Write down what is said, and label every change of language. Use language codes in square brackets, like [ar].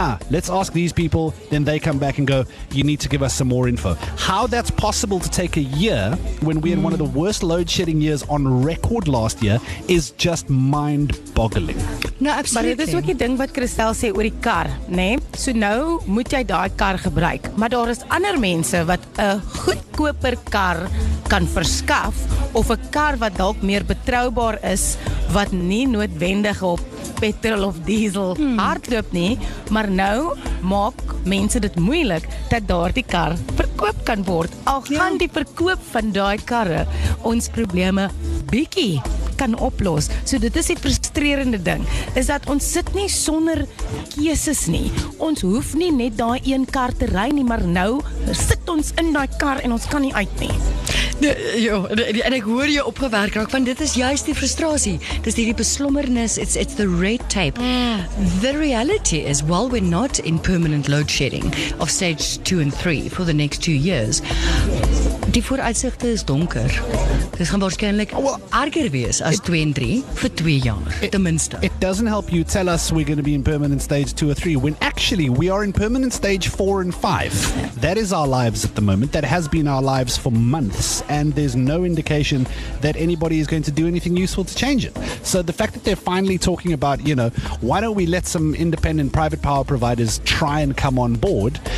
[en] Let's ask these people. Then they come back and go, you need to give us some more info. How that's possible to take a year when we're in one of the worst load shedding years on record last year is just mind-boggling. No, absolutely. But this is what you think about Christel say with the car, nee? [af] So now, moet jy daai kar gebruik. Maar daar is ander mense wat 'n goedkoper kar kan verskaf, of 'n kar wat dalk meer betroubaar is, wat nie noodwendig op petrol of diesel hardloop nie, maar nou maak mense dit moeilik dat daardie kar verkoop kan word. Al gaan die verkoop van daai karre ons probleme bietjie kan oplos. So dit is die frustrerende ding, is dat ons sit nie sonder keuses nie. Ons hoef nie net daai een kar te ry nie, maar nou sit ons in daai kar en ons kan nie uit nie. En ek hoor jou opgewerk raak, want dit is juist die frustrasie. Dit is die beslommernis, [en] it's the red tape. [af] Mm. [en] The reality is, while we're not in permanent load shedding of stage 2 and 3 for the next 2 years, [af] die vooruitsigte is donker. Dit gaan waarschijnlijk erger wees as 2 en 3 vir 2 jaar, ten minste. [en] It doesn't help you tell us we're going to be in permanent stage 2 or 3, when actually we are in permanent stage 4 and 5. That is our lives at the moment. That has been our lives for months. And there's no indication that anybody is going to do anything useful to change it. So the fact that they're finally talking about, you know, why don't we let some independent private power providers try and come on board?